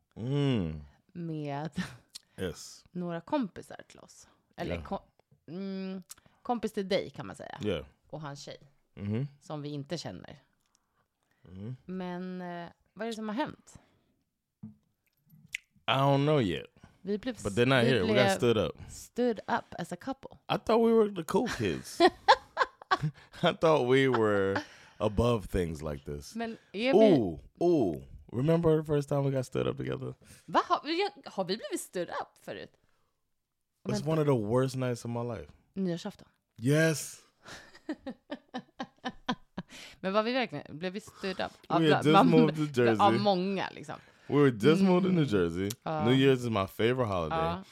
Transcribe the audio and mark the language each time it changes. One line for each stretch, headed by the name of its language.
Swedish: Mm. Med
English: yes.
Swedish: Några kompisar till oss. Eller yeah. Kompis till dig kan man säga.
English: Yeah.
Swedish: Och hans tjej. Mm-hmm. Som vi inte känner. Mm. Men vad är det som har hänt?
English: I don't know yet.
Swedish: Vi blev,
English: but they're not here. We got stood up. Stood up as a couple. I thought we were the cool kids. I thought we were above things like this.
Swedish: Men, ooh.
English: Remember the first time we got stood up together?
Swedish: Va? Har vi blivit
English: stood up
Swedish: förut?
English: It's one of the worst nights of my life.
Swedish: Nyårsafton.
English: Yes.
Swedish: Men var vi verkligen? Blev vi stood up?
English: We had just moved to Jersey.
Swedish: Av många liksom.
English: We were just moved to New Jersey. New Year's is my favorite holiday.